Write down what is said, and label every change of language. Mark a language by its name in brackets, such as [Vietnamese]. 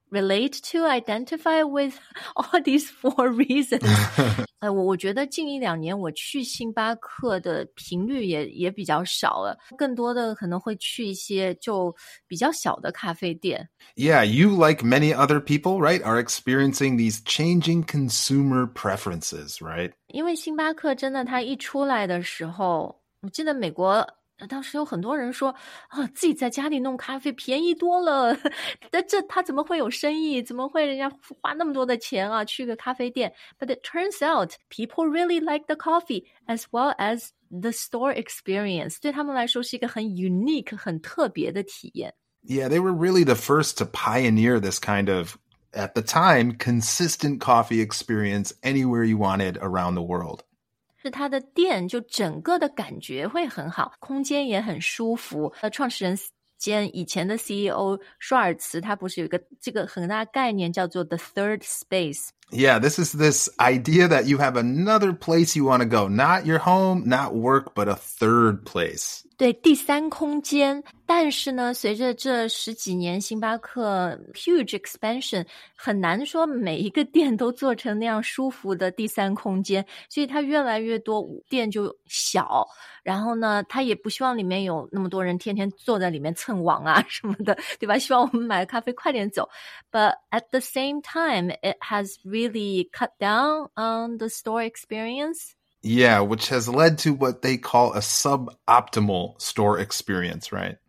[English] relate to, identify with all these four reasons. [Chinese] 我觉得近一两年我去星巴克的频率也比较少了，更多的可能会去一些就比较小的咖啡店。 [English] Yeah, you like many other people, right, are experiencing these changing consumer preferences, right? [Chinese] 因为星巴克真的它一出来的时候，我记得美国当时有很多人说、哦、自己在家里弄咖啡便宜多了这他怎么会有生意怎么会人家花那么多的钱啊去个咖啡店 [English] But it turns out people really like the coffee as well as the store experience [Chinese] 对他们来说是一个很 unique 很特别的体验。 [English] Yeah, they were really the first to pioneer this kind of, at the time, consistent coffee experience anywhere you wanted around the world. [Chinese] 是他的店就整个的感觉会很好，空间也很舒服。创始人兼以前的 CEO 舒尔茨，他不是有一个这个很大概念叫做 the third space。 [English] Yeah, this is this idea that you have another place you want to go. Not your home, not work, but a third place. [Chinese] 对，第三空间。但是呢，随着这十几年星巴克 [English] huge expansion, [Chinese] 很难说每一个店都做成那样舒服的第三空间。所以它越来越多店就小。然后呢，他也不希望里面有那么多人天天坐在里面蹭网啊什么的，对吧？希望我们买咖啡快点走。 [English] But at the same time, it has really cut down on the store experience. Yeah, which has led to what they call a suboptimal store experience, right?